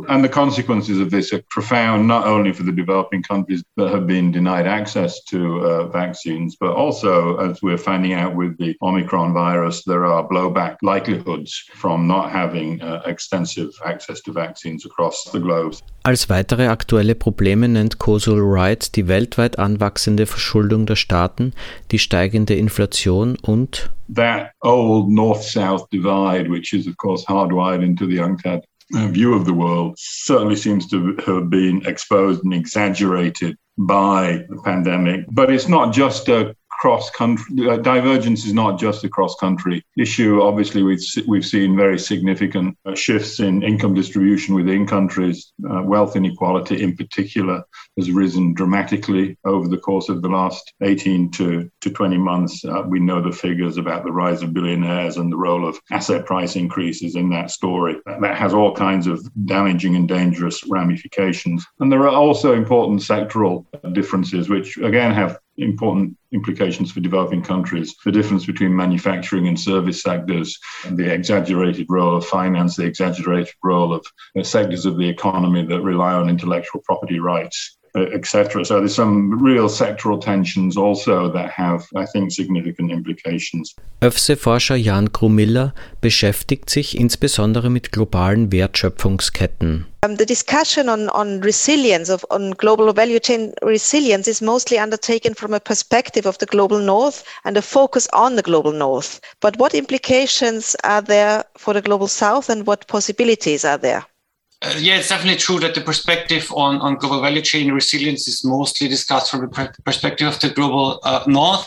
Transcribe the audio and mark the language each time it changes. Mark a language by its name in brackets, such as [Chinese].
[English] And the consequences of this are profound, not only for the developing countries that have been denied access to vaccines, but also, as we're finding out with the Omicron virus, there are blowback likelihoods from not having extensive access to vaccines across the globe. [German] Als weitere aktuelle Probleme nennt Kosel-Wright die weltweit anwachsende Verschuldung der Staaten, die steigende Inflation und [English] that old North-South divide, which is of course hardwired into the UNCTAD view of the world, certainly seems to have been exposed and exaggerated by the pandemic. But it's not just a cross-country, divergence is not just a cross-country issue. Obviously, we've seen very significant shifts in income distribution within countries. Wealth inequality in particular has risen dramatically over the course of the last 18 to 20 months. We know the figures about the rise of billionaires and the role of asset price increases in that story. That has all kinds of damaging and dangerous ramifications. And there are also important sectoral differences, which again have important implications for developing countries, the difference between manufacturing and service sectors, the exaggerated role of finance, the exaggerated role of sectors of the economy that rely on intellectual property rights, etc. So there's some real sectoral tensions also that have, I think, significant implications. [German] ÖFSE-Forscher Jan Grumiller beschäftigt sich insbesondere mit globalen Wertschöpfungsketten. [English] The discussion on resilience, on global value chain resilience, is mostly undertaken from a perspective of the global north and a focus on the global north. But what implications are there for the global south and what possibilities are there? Yeah, it's definitely true that the perspective on global value chain resilience is mostly discussed from the perspective of the global north.